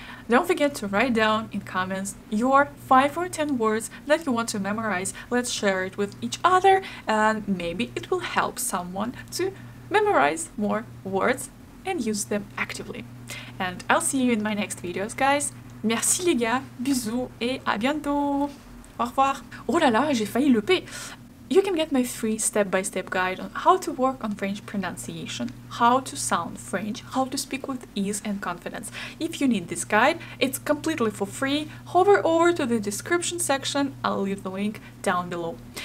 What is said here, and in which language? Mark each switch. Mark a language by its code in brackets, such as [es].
[en] Don't forget to write down in comments your 5 or 10 words that you want to memorize. Let's share it with each other, and maybe it will help someone to memorize more words and use them actively. And I'll see you in my next videos, guys. [fr] Merci les gars, bisous et à bientôt. Au revoir. Oh là là, j'ai failli louper. [en] You can get my free step-by-step guide on how to work on French pronunciation, how to sound French, how to speak with ease and confidence. If you need this guide, it's completely for free. Hover over to the description section, I'll leave the link down below.